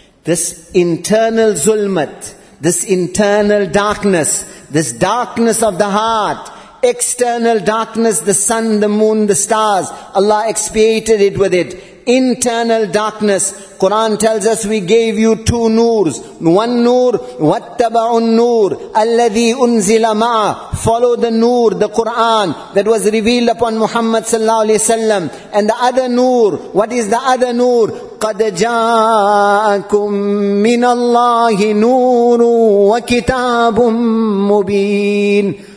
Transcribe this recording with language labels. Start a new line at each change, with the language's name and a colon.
English: This internal zulmat, this internal darkness, this darkness of the heart, external darkness, the sun, the moon, the stars, Allah expiated it with it. Internal darkness. Quran tells us we gave you two noors. One noor,
Arabic: وَاتَّبَعُ النُّورِ أَلَّذِي أُنزِلَ مَعَ.
English: Follow the noor, the Quran that was revealed upon Muhammad sallallahu alayhi wa sallam. And the other noor, what is the other noor?
Arabic: قَدْ جَاءَكُمْ مِنَ اللَّهِ نُورٌ وَكِتَابٌ مُبِينٌ.